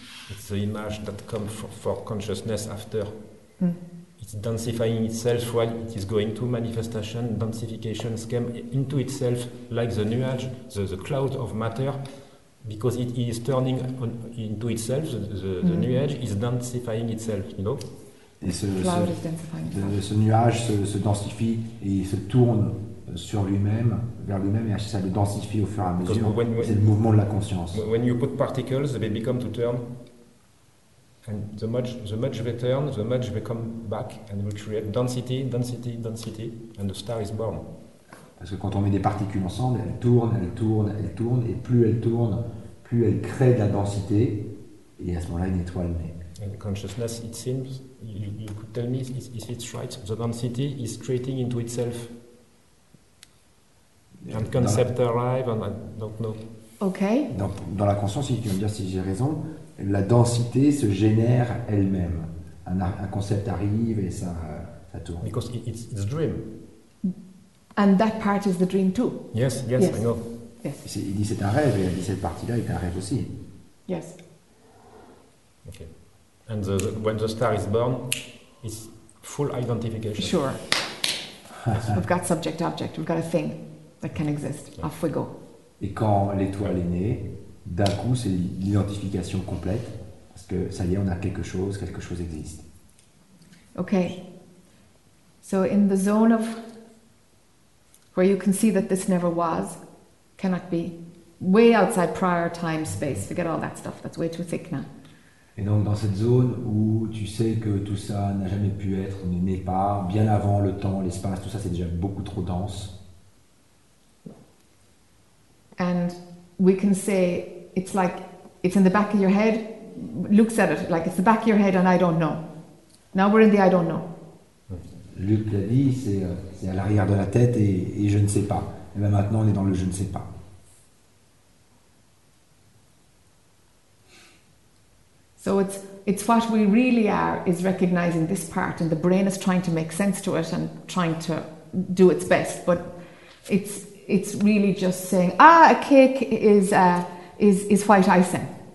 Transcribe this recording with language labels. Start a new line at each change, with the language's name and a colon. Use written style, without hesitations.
English: It's the image that comes for consciousness after. It's densifying itself while it is going to manifestation, densification scheme into itself, like the nuage, the cloud of matter, because it is turning into itself, the nuage is densifying itself, you know?
French: Et ce nuage se densifie et se tourne sur lui-même, vers lui-même, et ça le densifie au fur et à mesure. C'est le mouvement de la conscience.
English: When you put particles, they become to turn. And the much they turn, the much they come back, and we create density, density, density, and the star is born.
French: Parce que quand on met des particules ensemble, elles tournent, elles tournent, elles tournent, et plus elles tournent, plus elles créent de la densité, et à ce moment-là, une étoile naît.
English: And consciousness, it seems, you could tell me, is it right? The density is creating into itself. And concept arrive, and I don't know. Okay.
French: Dans la conscience, si tu veux me dire si j'ai raison, la densité se génère elle-même. Un concept arrive et ça tourne.
English: Because it's a dream. And that part is the dream too. Yes, I know. Yes.
French: Il dit c'est un rêve et il dit cette partie-là est un rêve aussi.
English: Yes. Okay. And the when the star is born, it's full identification. Sure. We've got subject-object. We've got a thing that can exist. Yeah. Off we go.
French: Et quand l'étoile est née, d'un coup, c'est l'identification complète, parce que ça y est, on a quelque chose existe.
English: Okay. So in the zone of where you can see that this never was, cannot be, way outside prior time space. Forget all that stuff. That's way too thick now.
French: Et donc dans cette zone où tu sais que tout ça n'a jamais pu être, ne n'est pas, bien avant le temps, l'espace, tout ça, c'est déjà beaucoup trop dense.
English: And we can say it's like it's in the back of your head. Luke said it like it's the back of your head, and I don't know. Now we're in the I don't know.
French: Luke l'a dit, c'est à l'arrière de la tête et je ne sais pas. Et bien maintenant on est dans le je ne sais pas.
English: So it's what we really are is recognizing this part, and the brain is trying to make sense to it and trying to do its best, but it's. It's really just saying, a cake is white icing.